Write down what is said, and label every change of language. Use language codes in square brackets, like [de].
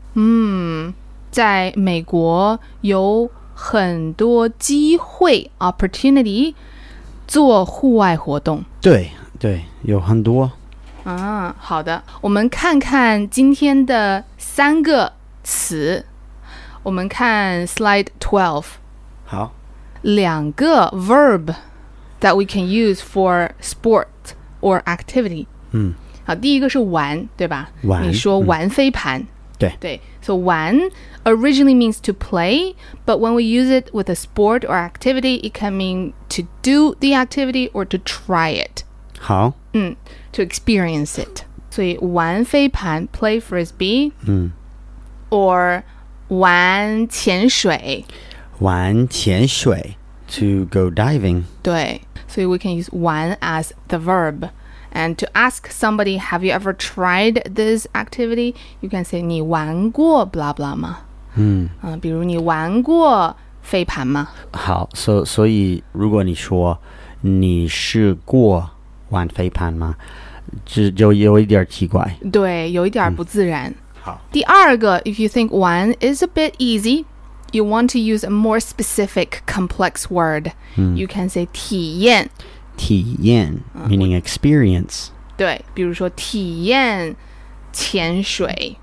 [zh] 嗯，在美国有很多机会 opportunity 做户外活动。对对，有很多。啊，好的，我们看看今天的三个词。我们看 slide 12. 好。 [en] 两个 verb that we can use for sport or activity. [zh] 嗯。好，第一个是玩，对吧？玩。你说玩飞盘。对。对。 [en] So 玩 originally means to play, but when we use it with a sport or activity, it can mean to do the activity or to try it. [zh] 好。 [en] 嗯。To experience it. [zh] 所以玩飞盘 [en] play frisbee. [zh] 嗯。 Or... 玩潜水。玩潜水。 [en] To go diving. [zh] 对。 [en] So we can use 玩 as the verb. And to ask somebody, have you ever tried this activity? You can say, [zh] 你玩过 [en] blah blah 吗? [zh] 嗯。比如你玩过飞盘吗? 好。所以如果你说你试过玩飞盘吗?就有一点奇怪。对,有一点不自然。第二个 [en] if you think one is a bit easy, you want to use a more specific complex word,、 [zh] 嗯、 [en] you can say 体验。体验 meaning experience. [zh] 对比如说体验潜水。